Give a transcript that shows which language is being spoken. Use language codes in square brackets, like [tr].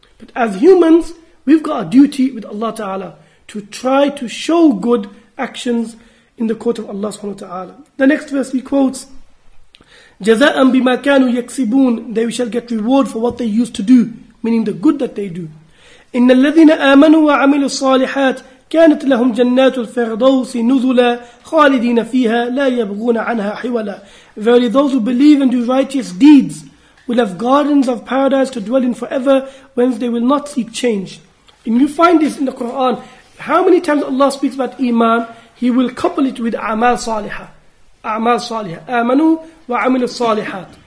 [en] But as humans, we've got a duty with Allah Ta'ala to try to show good actions in the court of Allah Subhanahu Wa Ta'ala. The next verse he quotes, [ar] جَزَاءً بِمَا كَانُوا يَكْسِبُونَ. [en] They shall get reward for what they used to do, meaning the good that they do. [ar] إِنَّ الَّذِينَ آمَنُوا وَعَمِلُوا الصَّالِحَاتِ كانت لهم جنات الفردوس نزلا خالدين فيها لا يبغون عنها حولا. [en] Verily those who believe and do righteous deeds will have gardens of paradise to dwell in forever, whence they will not seek change. And you find this in the Quran. How many times Allah speaks about iman, He will couple it with amal salihah. Amal salihah. Amanu wa amil salihat.